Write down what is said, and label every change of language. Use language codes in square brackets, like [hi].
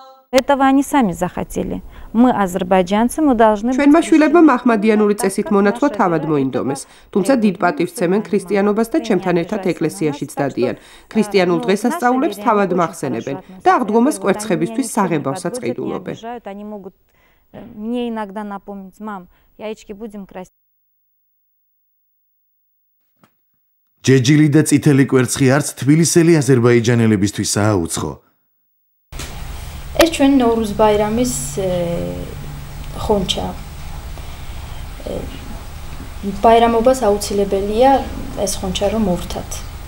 [ru] Этого они сами захотели. Мы азербайджанцы, мы должны [ka] ჩვენმა შვილებმა მაჰმადიანური წესით მონათლა თავად მოინდომეს, თუმცა დიდ პატივს ცემენ ქრისტიანობას და ჩემთან ერთად ეკლესიაშიც დადიან. ქრისტიანულ დღესასწაულებს თავად მახსენებენ და აღდგომას კვერცხებისთვის საღებავსაც ყიდულობენ. [ru] Они могут мне иногда напомнить: "Мам, яички будем красить". [ka] ჯეჯილი და წითელი კვერცხი არც თბილისელი აზერბაიჯანელებისთვისაა უცხო. ეს ჩვენ ნოვრუზ ბაირამის ხონჩა. ბაირამობას აუცილებელია ეს ხონჩა რომ მოვრთათ.